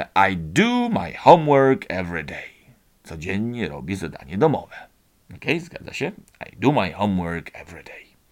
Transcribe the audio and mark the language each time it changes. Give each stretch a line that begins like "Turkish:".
English: I do my homework every day.
Polish: Codziennie robię zadanie domowe. Ok, zgadza się?
English: I do my homework every day.